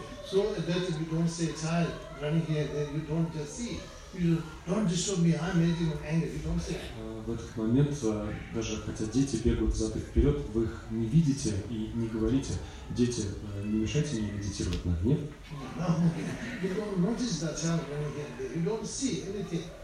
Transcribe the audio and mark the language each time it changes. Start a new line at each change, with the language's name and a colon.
English: So at that time you don't say child running here, then you don't just see. You just don't disturb me, I'm making of anger, you don't say.
Russian: В этот момент, даже хотя дети бегают взад и вперед, вы их не видите и не говорите, дети, не мешайте мне медитировать на гнев.
English: You don't notice that child running here, you don't see anything.